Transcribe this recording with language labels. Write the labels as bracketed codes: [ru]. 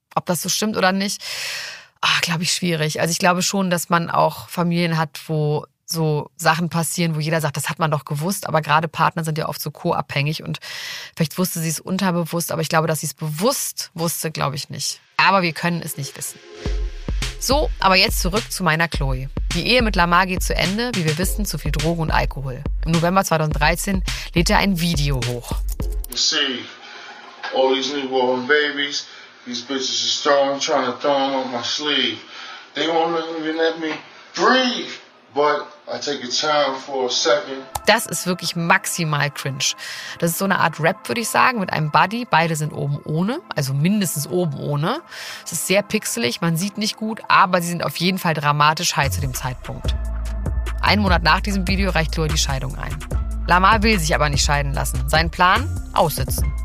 [de] Ob das so stimmt oder nicht, glaube ich, schwierig. Also ich glaube schon, dass man auch Familien hat, wo so Sachen passieren, wo jeder sagt, das hat man doch gewusst, aber gerade Partner sind ja oft so co-abhängig und vielleicht wusste sie es unterbewusst, aber ich glaube, dass sie es bewusst wusste, glaube ich nicht. Aber wir können es nicht wissen. So, aber jetzt zurück zu meiner Chloe. Die Ehe mit Lamar geht zu Ende, wie wir wissen, zu viel Drogen und Alkohol. Im November 2013 lädt er ein Video hoch. [en] You see, all these newborn babies, these bitches are strong, trying to throw them up my sleeve. They won't even let me breathe. But I take your time for a second. [de] Das ist wirklich maximal cringe. Das ist so eine Art Rap, würde ich sagen, mit einem Buddy. Beide sind oben ohne, also mindestens oben ohne. Es ist sehr pixelig, man sieht nicht gut, aber sie sind auf jeden Fall dramatisch high zu dem Zeitpunkt. Einen Monat nach diesem Video reicht Chloe die Scheidung ein. Lamar will sich aber nicht scheiden lassen. Sein Plan? Aussitzen.